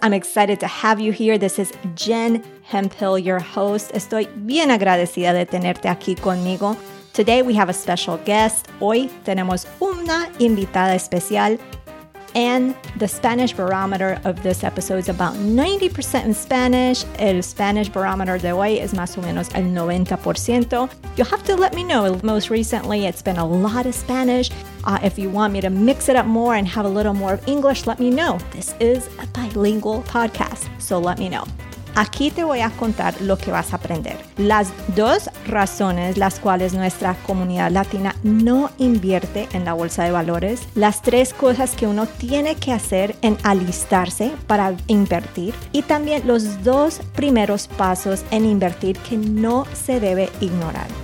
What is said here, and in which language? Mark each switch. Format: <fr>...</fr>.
<en>I'm excited to have you here. This is Jen Hemphill, your host.</en> <es>Estoy bien agradecida de tenerte aquí conmigo.</es> <en>Today we have a special guest.</en> <es>Hoy tenemos una invitada especial.</es> <en>And the Spanish barometer of this episode is about 90% in Spanish.</en> <es>El Spanish barometer de hoy es más o menos el 90%.</es> <en>You'll have to let me know. Most recently, it's been a lot of Spanish. If you want me to mix it up more and have a little more of English, let me know. This is a bilingual podcast, so let me know.</en> <es>Aquí te voy a contar lo que vas a aprender. Las dos razones las cuales nuestra comunidad latina no invierte en la bolsa de valores. Las tres cosas que uno tiene que hacer en alistarse para invertir. Y también los dos primeros pasos en invertir que no se debe ignorar.</es>